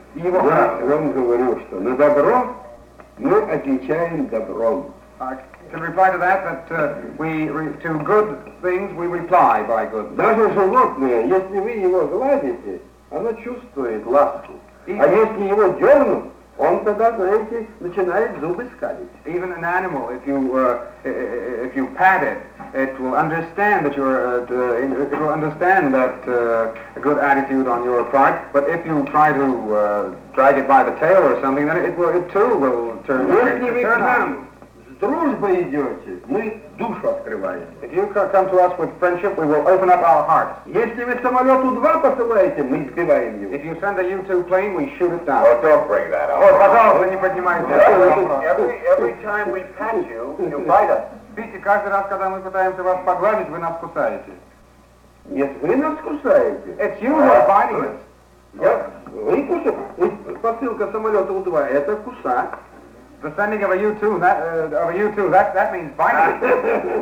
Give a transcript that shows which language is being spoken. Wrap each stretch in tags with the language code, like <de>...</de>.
<ru>Я вам говорю, что на добро мы отвечаем добром.</ru> <en>To reply to that, to good things we reply by good things.</en> <ru>Даже животное, если вы его гладите, оно чувствует ласку. А если его дернут, он тогда, знаете, начинает зубы скалить.</ru> <en>Even an animal, if you pat it, it will understand that you're, it will understand that a good attitude on your part. But if you try to drag it by the tail or something, then it too will turn.</en> <ru>Если вы к нам дружбы идете, мы душу открываем.</ru> <en>If you come to us with friendship, we will open up our hearts.</en> <ru>Если вы самолет У-2 посылаете, мы сбиваем его.</ru> <en>If you send a U-2 plane, we shoot it down. Oh, don't bring that up.</en> <ru>Oh, пожалуйста, не поднимайте.</ru> <en>Every time we pat you, you bite us.</en> <ru>Видите, каждый раз, когда мы пытаемся вас погладить, вы нас кусаете. Нет, вы нас кусаете.</ru> <en>It's you who are biting us.</en> <ru>Вы кусаете. Посылка самолета У-2, это кусать.</ru> <en>The sending of a U-2, that means binding.</en>